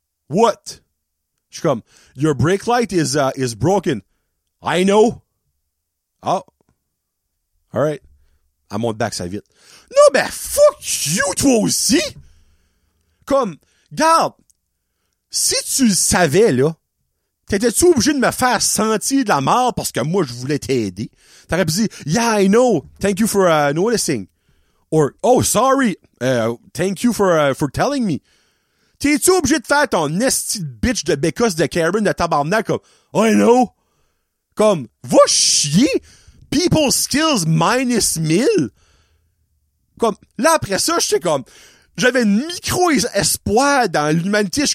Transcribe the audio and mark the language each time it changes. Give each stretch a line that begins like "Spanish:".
English: What?
French: Je suis comme,
English: your brake light is broken. I know. Oh. Alright.
French: Elle monte back ça vite. Non, ben,
English: fuck you,
French: toi aussi! Comme, garde, si tu le savais, là, t'étais-tu obligé de me faire sentir de la mort parce que moi, je voulais t'aider? T'aurais pu dire,
English: yeah, I know. Thank you for noticing. Or, oh, sorry. Thank you for telling me.
French: T'es-tu obligé de faire ton esti de bitch de bécosse de Karen de tabarnak comme,
English: I know.
French: Comme, va chier!
English: People skills minus 1000!
French: Comme, là, après ça, j'étais comme, j'avais une micro-espoir dans l'humanité.